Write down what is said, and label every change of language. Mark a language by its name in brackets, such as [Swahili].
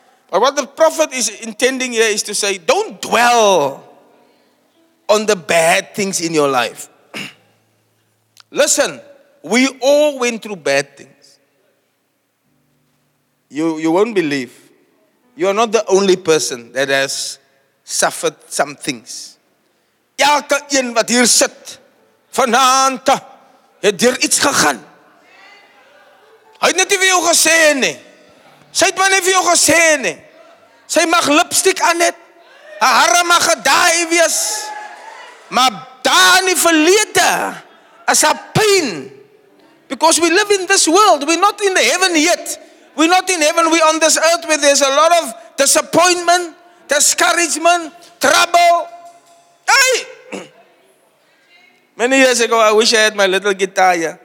[English] But what the prophet is intending here is to say, don't dwell on the bad things in your life. Listen, we all went through bad things. You won't believe. You are not the only person that has suffered some things. [Afrikaans] Elke een wat hier sit, vanaand, het hier iets gegaan. Hy het net nie vir jou gesê nie. Sy het maar nie vir jou gesê nie. Sy mag lipstick aan het. Haar hare mag gedaai wees. Maar daar in die verlede is haar pyn. [English] Because we live in this world. We're not in the heaven yet. We're not in heaven, we're on this earth where there's a lot of disappointment, discouragement, trouble. Hey! Many years ago, I wish I had my little guitar.